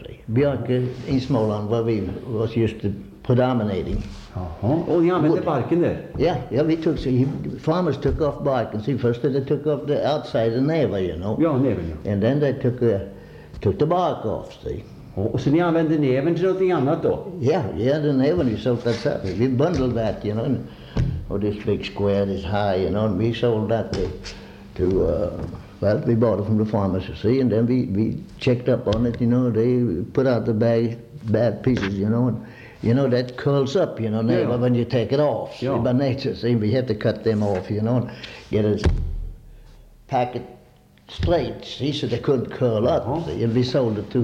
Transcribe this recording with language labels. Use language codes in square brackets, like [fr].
[en] Björke in Småland, where we was used to predominating. Uh-huh. Oh, yeah, but the bark in there. Yeah, we took, farmers took off bark, and see, first they took off the outside, the neva, you know. Yeah, neva, yeah. And then they took the bark off, see. Oh, so [sv] ni använde näven till någonting annat då? [en] Yeah, the näven, we sold that stuff. We bundled that, you know, and this big square is high, you know, and we sold that to we bought it from the farmers, you see, and then we checked up on it, you know, they put out the bad pieces, you know, and, you know, that curls up, you know, näven, when you take it off, see, by nature, see, we had to cut them off, you know, and get a packet straight, see, so they couldn't curl up, see, and we sold it too.